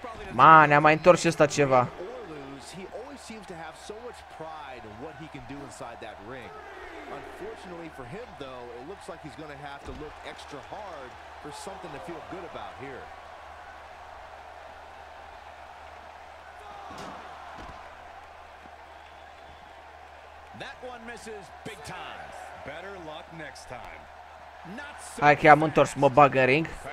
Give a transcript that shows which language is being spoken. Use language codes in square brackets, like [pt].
[ro] Ma, ne-a mai întors și ăsta ceva. [en] Seems to have so much pride in what he can do inside that ring. Unfortunately for him though, it looks like he's going to have to look extra hard for something to feel good about here. That one misses big time. Better luck next time. [ro] Hai că am întors, mă bagă ring.